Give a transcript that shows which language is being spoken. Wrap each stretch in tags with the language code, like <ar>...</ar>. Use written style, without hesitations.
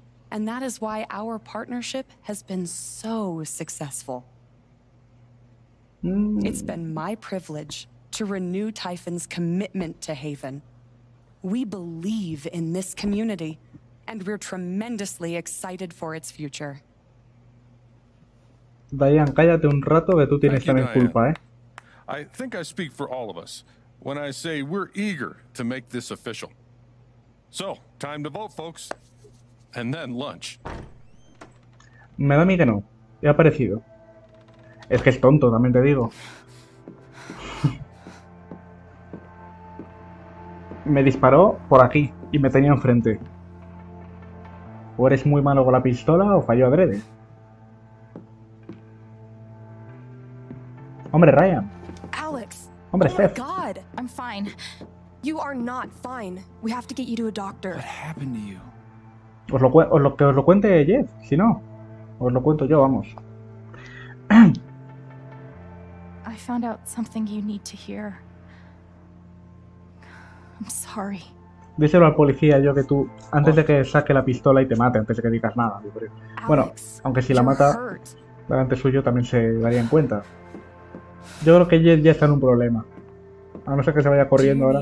<en>And that is why our partnership has been so successful. It's been my privilege to renew Typhon's commitment to Haven. We believe in this community, and we're tremendously excited for its future.</en> <es>Diane, cállate un rato, que tú tienes también culpa, ¿eh?</es> <en>I think I speak for all of us when I say we're eager to make this official. So, time to vote, folks. And then lunch.</en> <es>Me da a mí que no. He aparecido. Es que es tonto, también te digo. Me disparó por aquí y me tenía enfrente. O eres muy malo con la pistola o falló adrede. Hombre, Ryan. Alex. Hombre, oh, Steph.</es> <en>My God, I'm fine. You are not fine. We have to get you to a doctor. What happened to you?</en> <es>Os lo cuente Jeff, si no, os lo cuento yo, vamos.</es> <en>I found out something you need to hear. I'm sorry.</en> <es>Díselo al policía, yo que tú, antes de que saque la pistola y te mate, antes de que digas nada. Yo creo. Bueno, aunque si la mata delante suyo también se daría en cuenta. Yo creo que Jeff ya está en un problema. A no ser que se vaya corriendo ahora.</es>